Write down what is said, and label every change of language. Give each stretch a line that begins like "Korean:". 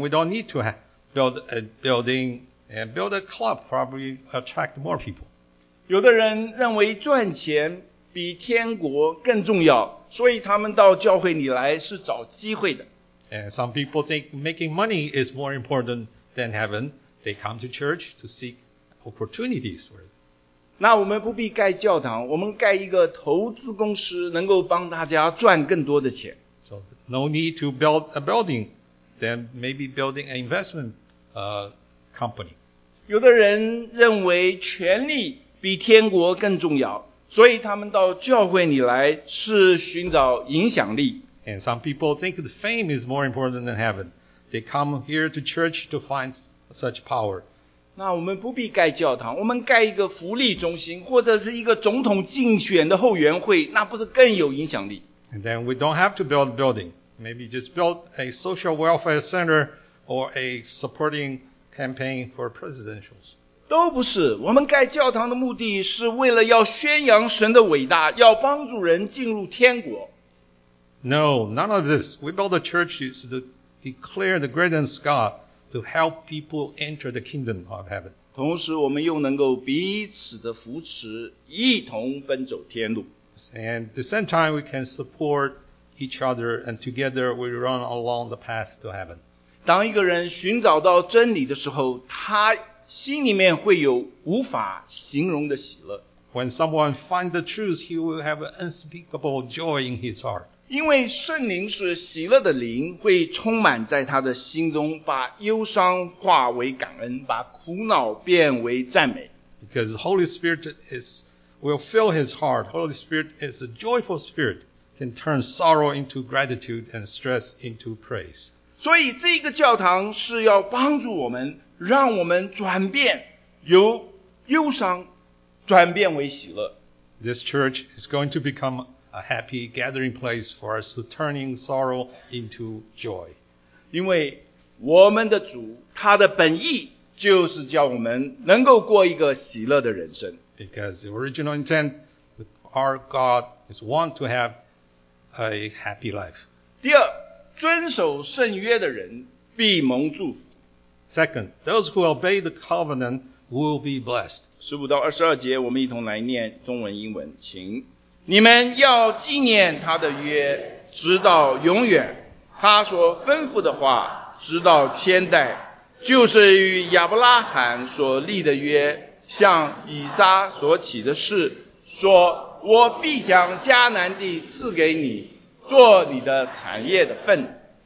English: we don't need to build a building and build a club probably attract more people.
Chinese: 有的人认为赚钱比天国更重要，所以他们到教会里来是找机会的。
English: And some people think making money is more important than heaven. They come to church to seek opportunities for it.
Chinese: 那我们不必盖教堂，我们盖一个投资公司，能够帮大家赚更多的钱。
English: So no need to build a building, then maybe building an investment company.
Chinese: 有的人认为权力比天国更重要，所以他们到教会里来是寻找影响力。
English: And some people think that fame is more important than heaven. They come here to church to find such power.
Chinese: 那我们不必盖教堂，我们盖一个福利中心，或者是一个总统竞选的后援会，那不是更有影响力？
English: And then we don't have to build a building. Maybe just build a social welfare center or a supporting campaign for presidentials.
Chinese: 都不是，我们盖教堂的目的是为了要宣扬神的伟大，要帮助人进入天国。
English: No, none of this. We build the church to declare the greatness of God to help people enter the kingdom of heaven.
Chinese: 同时我们又能够彼此的扶持，一同奔走天路。
English: And at the same time, we can support each other and together we run along the path to heaven.
Chinese: 当一个人寻找到真理的时候，他心里面会有无法形容的喜乐。
English: When someone finds the truth, he will have an unspeakable joy in his heart.
Chinese: 因为圣灵是喜乐的灵，会充满在他的心中，把忧伤化为感恩，把苦恼变为赞美。
English: Because the Holy Spirit will fill his heart. Holy Spirit is a joyful spirit, can turn sorrow into gratitude and stress into praise.
Chinese: 所以这个教堂是要帮助我们，让我们转变，由忧伤转变为喜乐。
English: This church is going to become a happy gathering place for us to turning sorrow into joy.
Chinese: 因为我们的主，他的本意就是叫我们能够过一个喜乐的人生。
English: Because the original intent of our God is want to have a happy life.
Chinese: 第二，遵守圣约的人必蒙祝福。
English: Second, those who obey the covenant will be blessed.
Chinese: 15到22节，我们一同来念中文英文，请。你们要纪念他的约，直到永远。他所吩咐的话，直到千代，就是与亚伯拉罕所立的约，向以撒所起的誓，说我必将迦南地赐给你，做你的产业的份。